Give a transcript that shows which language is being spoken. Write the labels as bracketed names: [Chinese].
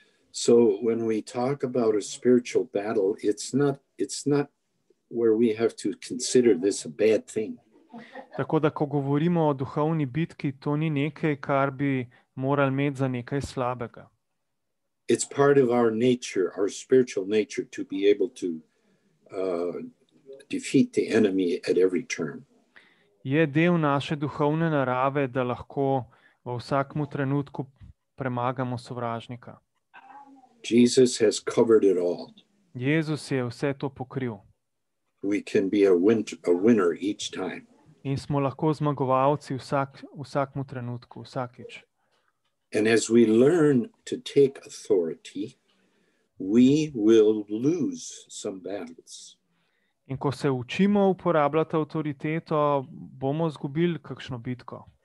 [English] So when we talk about a spiritual battle, it's not where we have to consider this a bad thing. [Slovenian] Tako da, ko govorimo o duhovni bitki, to ni nekaj, kar bi moral imeti za nekaj slabega. [English] It's part of our nature, our spiritual nature, to be able to defeat the enemy at every turn. [Slovenian] Je del naše duhovne narave, da lahko v vsakem trenutku premagamo sovražnika. [English] Jesus has covered it all. [Slovenian] Jezus je vse to pokril. [English] We can be a winner each time. [Slovenian] In smo lahko zmagovalci vsakem trenutku, vsakič. [English] And as we learn to take authority, we will lose some battles. [Slovenian] In ko se učimo uporabljati avtoriteto, bomo zgubili kakšno bitko.